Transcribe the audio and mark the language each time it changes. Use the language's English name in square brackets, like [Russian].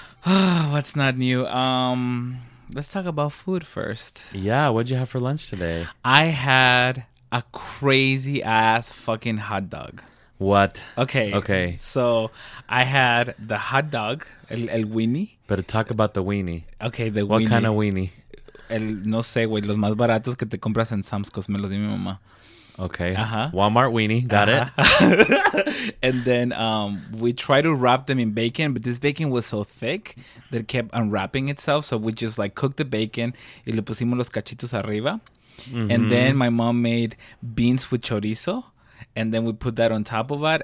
[English] What's not new? Let's talk about food first. Yeah, what'd you have for lunch today? I had a crazy ass fucking hot dog. What? Okay. Okay. So I had the hot dog, el weenie. But talk about the weenie. Okay, the weenie. What kind of weenie? [Spanish] El, no sé, güey, los más baratos que te compras en Sam's, cause me los di mi mamá. [English] Okay. Uh-huh. Walmart weenie. Got uh-huh. it. And then we tried to wrap them in bacon, but this bacon was so thick that it kept unwrapping itself. So we just like cooked the bacon [Spanish] y le pusimos los cachitos arriba. [English] Mm-hmm. And then my mom made beans with chorizo. And then we put that on top of that.